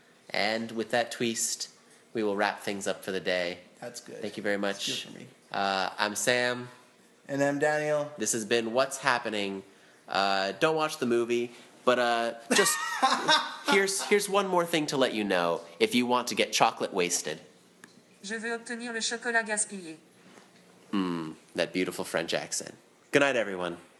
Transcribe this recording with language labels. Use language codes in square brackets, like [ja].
[en] And with that twist, we will wrap things up for the day. That's good. Thank you very much. That's good for me. I'm Sam. And I'm Daniel. This has been What's Happening. Don't watch the movie, but just here's one more thing to let you know if you want to get chocolate wasted. [fr] Je veux obtenir le chocolat gaspillé. [en] That beautiful French accent. Good night, everyone.